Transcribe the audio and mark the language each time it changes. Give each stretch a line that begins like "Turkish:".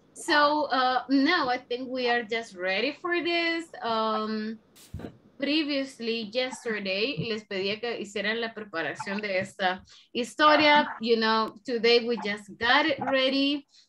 English: So now I think we are just ready for this. Previously, yesterday,
Spanish: les pedía que hicieran la preparación de esta historia.
English: You know, today we just got it ready.